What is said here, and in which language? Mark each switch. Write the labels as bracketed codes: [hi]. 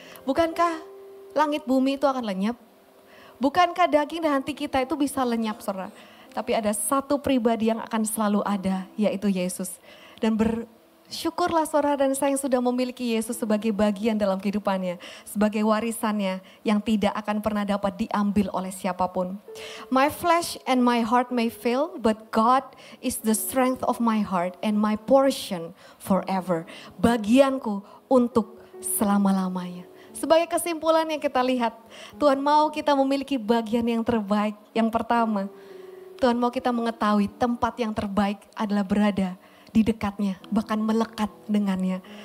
[id] Bukankah langit bumi itu akan lenyap? Bukankah daging dan hati kita itu bisa lenyap, Saudara? Tapi ada satu pribadi yang akan selalu ada, yaitu Yesus. Dan syukurlah saudara dan saya yang sudah memiliki Yesus sebagai bagian dalam kehidupannya. Sebagai warisannya yang tidak akan pernah dapat diambil oleh siapapun. [en] My flesh and my heart may fail, but God is the strength of my heart and my portion forever. [id] Bagianku untuk selama-lamanya. Sebagai kesimpulan yang kita lihat, Tuhan mau kita memiliki bagian yang terbaik. Yang pertama, Tuhan mau kita mengetahui tempat yang terbaik adalah berada di dekatnya, bahkan melekat dengannya.